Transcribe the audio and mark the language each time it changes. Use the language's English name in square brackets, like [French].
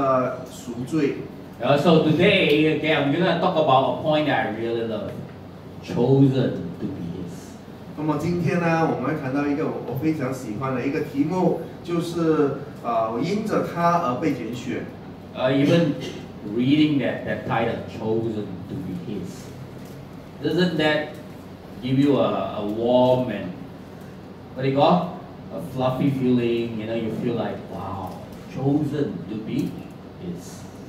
[Chinese] 前个礼拜呢，我们在谈关于到说我们被拣选为神圣的，然后呢，之后呢，我们又在谈到关于到我们的就是因着这个赎罪。So [English] today again, I'm going to talk about a point that I really love, chosen to be His. [Chinese] 那么今天呢，我们谈到一个我非常喜欢的一个题目，就是因着他而被拣选。Even [English] reading that title, chosen to be His, doesn't that give you a warm and what do you call a fluffy feeling? You know, you feel like wow, chosen to be His.